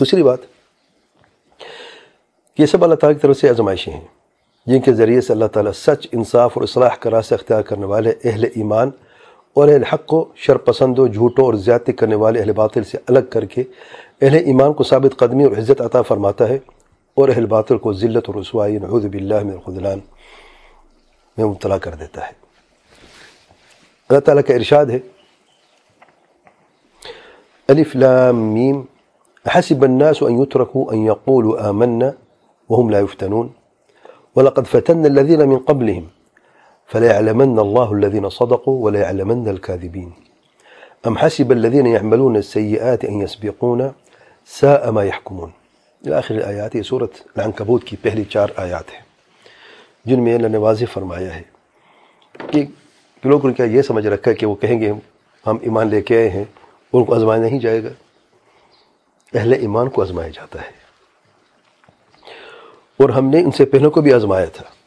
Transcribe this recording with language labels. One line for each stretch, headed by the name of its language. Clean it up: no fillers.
Urdu: دوسری بات، یہ سب اللہ تعالیٰ کی طرف سے آزمائشیں ہیں جن کے ذریعے سے اللہ تعالیٰ سچ، انصاف اور اصلاح کا راستہ اختیار کرنے والے اہل ایمان اور اہل حق کو شر پسندوں، جھوٹوں اور زیادتی کرنے والے اہل باطل سے الگ کر کے اہل ایمان کو ثابت قدمی اور عزت عطا فرماتا ہے، اور اہل باطل کو ذلت اور رسوائی،
Arabic: نعوذ باللہ من الخذلان،
Urdu: میں مبتلا کر دیتا ہے. اللہ تعالیٰ کا ارشاد ہے،
Arabic: الف لام میم، حسب الناس ان یترکوا ان یقولوا آمنا وهم لا يفتنون ولقد فتن الذين من قبلهم فليعلمن الله الذين صدقوا وليعلمن الكاذبين ام حسب الذين يعملون السيئات ان يسبقونا ساء ما يحكمون الى اخر الايات.
Urdu: هي سوره العنكبوت کی پہلی چار آیات ہیں جن میں اللہ نے واضح فرمایا ہے کہ لوگوں کو یہ سمجھ رکھا ہے کہ وہ کہیں گے ہم ایمان لے کے آئے ہیں، ان کو آزمایا نہیں جائے گا. اہل ایمان کو آزمایا جاتا ہے، اور ہم نے ان سے پہلوں کو بھی آزمایا تھا.